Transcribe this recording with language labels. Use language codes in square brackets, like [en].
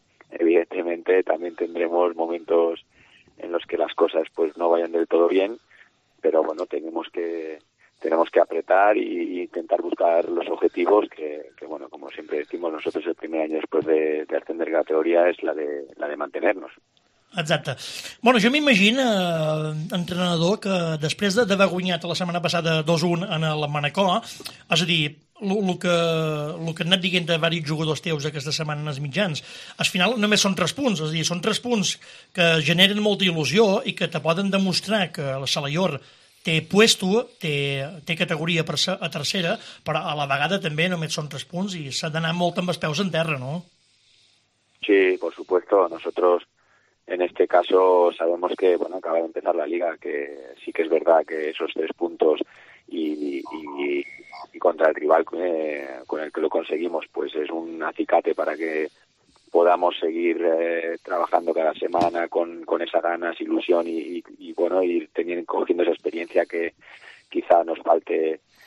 [es] Evidentemente también tendremos momentos en los que las cosas pues no vayan del todo bien, pero bueno, tenemos que apretar e intentar buscar los objetivos que bueno, como siempre decimos nosotros, el primer año después de ascender categoría es la de mantenernos. [ca] Exacte. Bueno, jo m'imagino, entrenador, que després d'haver guanyat la setmana passada 2-1 en el Manacor, és a dir, el que han anat dient de diversos jugadors teus aquesta setmana en els mitjans, al final només són 3 punts, és a dir, són 3 punts que generen molta il·lusió i que te poden demostrar que el Salaior té puesto, té categoria per a tercera, però a la vegada també només són 3 punts i s'ha d'anar molt amb els peus en terra, no? [es] Sí, por supuesto, nosotros en este caso sabemos que, bueno, acaba de empezar la liga, que sí que es verdad que esos 3 puntos y contra el rival con el que lo conseguimos, pues es un acicate para que podamos seguir trabajando cada semana con esas ganas, ilusión y bueno, ir cogiendo esa experiencia que quizá nos falte